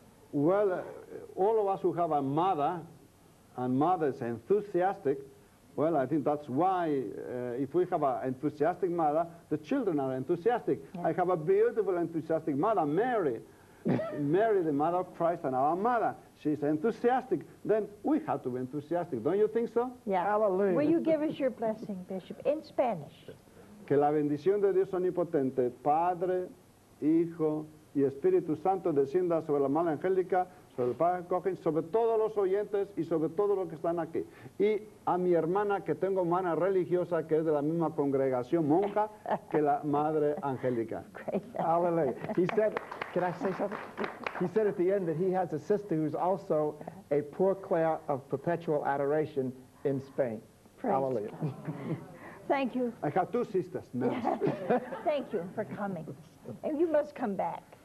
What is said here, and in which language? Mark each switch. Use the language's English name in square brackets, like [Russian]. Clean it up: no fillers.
[English] Well, all of us who have a mother, and mothers enthusiastic, well, I think that's why if we have an enthusiastic mother, the children are enthusiastic. Yeah. I have a beautiful, enthusiastic mother, Mary. Mary, the mother of Christ and our mother, she's enthusiastic. Then we have to be enthusiastic, don't you think so? Yeah. Hallelujah. Will you give us your blessing, Bishop, in Spanish? [Spanish] Que la bendición de Dios omnipotente, Padre, Hijo y Espíritu Santo, descienda sobre la madre Angélica, sobre el padre Cogen, sobre todos los oyentes y sobre todos los que están aquí. Y a mi hermana, que tengo hermana religiosa, que es de la misma congregación monja que la madre Angélica. [English] Hallelujah. He said, can I say something? He said at the end that he has a sister who's also a poor clerk of perpetual adoration in Spain. Praise Hallelujah. God. Thank you. I have 2 sisters now. Yeah. Thank you for coming. And you must come back.